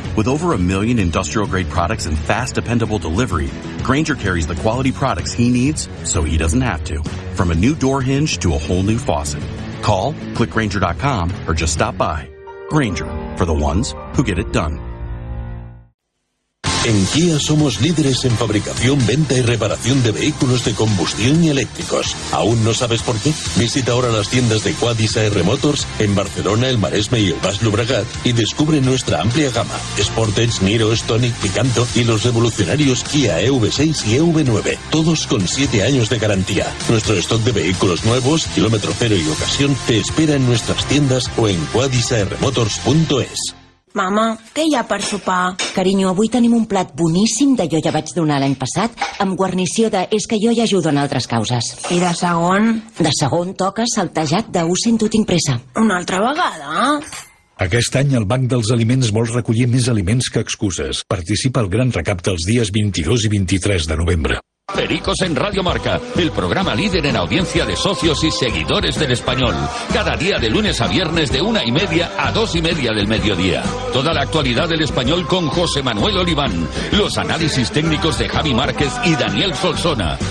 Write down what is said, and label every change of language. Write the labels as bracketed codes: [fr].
[en] With over a million industrial-grade products and fast, dependable delivery, Grainger carries the quality products he needs so he doesn't have to. From a new door hinge to a whole new faucet. Call, click Grainger.com, or just stop by. Grainger, for the ones who get it done. [es] En Kia somos líderes en fabricación, venta y reparación de vehículos de combustión y eléctricos. ¿Aún no sabes por qué? Visita ahora las tiendas de Quadis AR Motors en Barcelona, el Maresme y el Baix Llobregat y descubre nuestra amplia gama. Sportage, Niro, Stonic, Picanto y los revolucionarios Kia EV6 y EV9. Todos con 7 años de garantía. Nuestro stock de vehículos nuevos, kilómetro cero y ocasión, te espera en nuestras tiendas o en quadisarmotors.es. [ca] Mama, què hi ha per sopar? Carinyo, avui tenim un plat boníssim de jo ja vaig donar l'any passat amb guarnició de és que jo hi ajudo en altres causes. I de segon? De segon toca saltejat de ho sento, tinc pressa. Una altra vegada? Aquest any el Banc dels Aliments vol recollir més aliments que excuses. Participa al Gran Recapte els dies 22 i 23 de novembre. [es] Pericos en Radio Marca, el programa líder en audiencia de socios y seguidores del español. Cada día de lunes a viernes de 1:30 a 2:30 del mediodía. Toda la actualidad del español con José Manuel Oliván. Los análisis técnicos de Javi Márquez y Daniel Solsona.